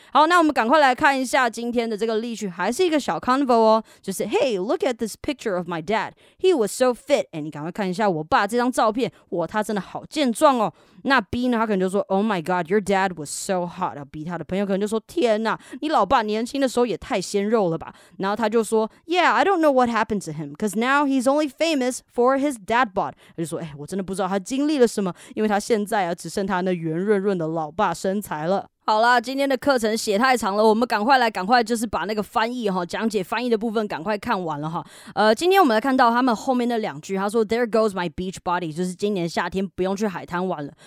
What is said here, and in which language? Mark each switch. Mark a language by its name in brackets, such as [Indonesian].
[Chinese] 好，那我们赶快来看一下今天的这个例句，还是一个小 convo 哦，就是 [English] Hey, look at this picture of my dad. He was so fit. [Chinese] 哎，你赶快看一下我爸这张照片，哇，他真的好健壮哦。那 B 呢，他可能就说 [English] Oh my God, your dad was so hot. [Chinese] B 他的朋友可能就说天哪，你老爸年轻的时候。也太鲜肉了吧！然后他就说 [English] ，Yeah, I don't know what happened to him, because now he's only famous for his dad bod. [Chinese] 他就说，哎，我真的不知道他经历了什么，因为他现在啊，只剩他那圆润润的老爸身材了。好啦，今天的课程写太长了，我们赶快来，赶快就是把那个翻译哈，讲解翻译的部分赶快看完了哈。今天我们来看到他们后面那两句，他说 [English] "There goes my beach body"， [Chinese] 就是今年夏天不用去海滩玩了。